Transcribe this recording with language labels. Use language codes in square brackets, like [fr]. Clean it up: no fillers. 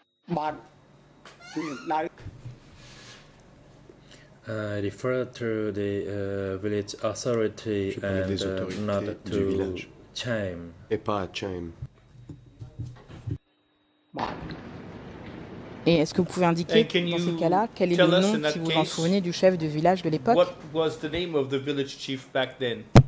[en] I refer to the village authority and not to Chaim. [fr] Et pas à Chaim. Et est-ce que vous pouvez indiquer dans ces cas-là quel est le nom, si vous vous en souvenez, du chef de village de l'époque? [en] What was the name of the village chief back then?